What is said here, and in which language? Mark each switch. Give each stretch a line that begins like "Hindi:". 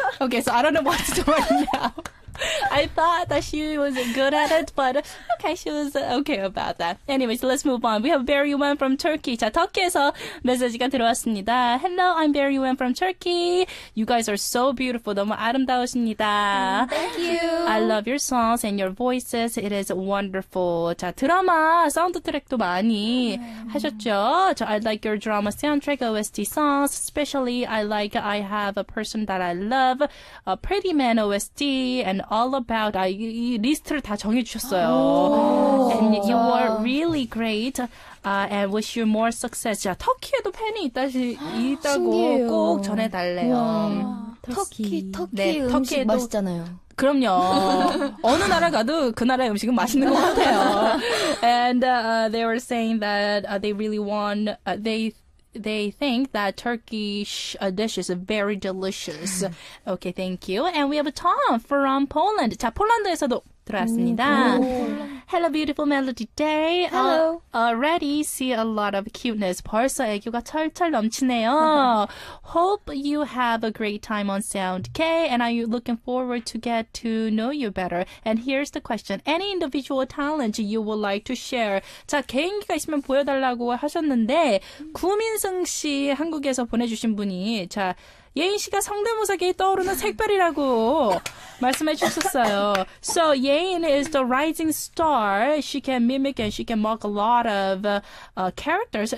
English: Okay, so I don't know what to do right now. I thought that she was good at it, but okay, she was okay about that. Anyways, let's move on. We have Barry Wen from Turkey.
Korean: 자, 터키에서 메시지가 들어왔습니다.
English: Hello, I'm Barry Wen from Turkey. You guys are so beautiful.
Korean: 너무 아름다우십니다.
English: Thank you. I love your songs and your voices. It is wonderful.
Korean: 자, 드라마 사운드트랙도 많이 하셨죠?
English: 자, I like your drama soundtrack OST songs. Especially, I like I Have a Person That I Love, a Pretty Man OST, and All About.
Korean: 아, 이 리스트를 다 정해주셨어요.
English: Oh, and 진짜? You were really great. And wish you more success.
Korean: 자, 터키에도 팬이 있다고 꼭 전해달래요. 터키 음식 맛있잖아요. 그럼요. 어느 나라 가도 그 나라의 음식은 맛있는 것 같아요.
English: And they were saying that they really want they think that Turkish dish is very delicious. Okay, thank you. And we have a Tom from Poland.
Korean: 자, 폴란드에서도 들어왔습니다.
English: Hello, beautiful Melody Day. Hello. Already see a lot of cuteness.
Korean: 벌써 애교가 철철 넘치네요.
English: Hope you have a great time on Sound K. And I'm looking forward to get to know you better. And here's the question. Any individual talent you would like to share?
Korean: 자, 개인기가 있으면 보여달라고 하셨는데 구민승 씨 한국에서 보내주신 분이 자, 예인 씨가 성대모사계에 떠오르는 색별이라고 말씀해 주셨어요.
English: So, 예인 is the rising star. She can mimic and she can mock a lot of characters.